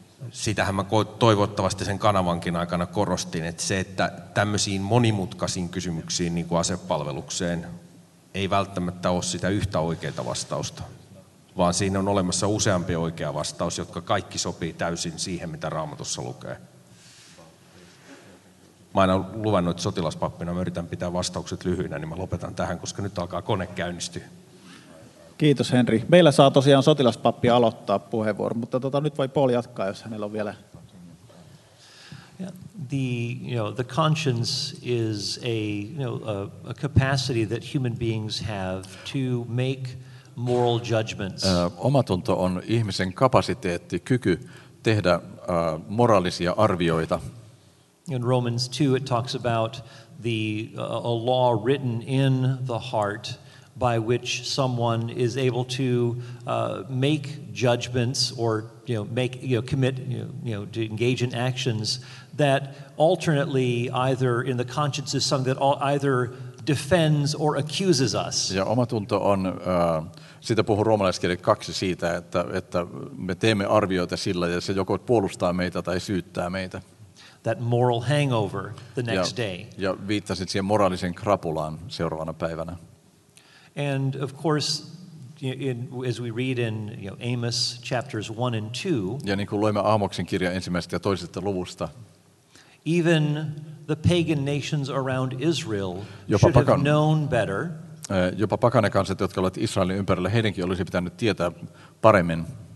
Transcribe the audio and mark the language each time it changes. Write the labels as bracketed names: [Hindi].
[Finnish] Sitähän mä toivottavasti sen kanavankin aikana korostin, että se, että tämmöisiin monimutkaisiin kysymyksiin, niin kuin asepalvelukseen, ei välttämättä ole sitä yhtä oikeaa vastausta, vaan siinä on olemassa useampi oikea vastaus, jotka kaikki sopii täysin siihen, mitä Raamatussa lukee. Mä aina luvannut, että sotilaspappina mä yritän pitää vastaukset lyhyinä, niin mä lopetan tähän, koska nyt alkaa kone käynnistyä. Kiitos, Henri. Meillä saa tosiaan sotilaspappi aloittaa puheenvuoron, mutta nyt voi Paul jatkaa, jos hänellä on vielä. [English] The, you know, the conscience is a, you know, a capacity that human beings have to make moral judgments. [Finnish] Omatunto on ihmisen kapasiteetti, kyky tehdä moraalisia arvioita. [English] In Romans 2 it talks about the a law written in the heart by which someone is able to make judgments or to engage in actions that alternately either in the conscience is something that either defends or accuses us. [Finnish] Ja omatunto on siitä puhuu roomalaiskirje 2 siitä, että me teemme arvioita sillä, ja se joko puolustaa meitä tai syyttää meitä. [English] That moral hangover the next day. [Finnish] Ja viittasit siihen moraalisen krapulaan seuraavana päivänä. [English] And of course, as we read in Amos chapters 1 and 2. [Finnish] Ja niin kuin luemme Aamoksen kirjan ensimmäisestä ja toisesta luvusta. [English] Even the pagan nations around Israel should have known better. [Finnish] Jopa pakanekansat, jotka olivat Israelin ympärillä, heidänkin olisi pitänyt tietää paremmin.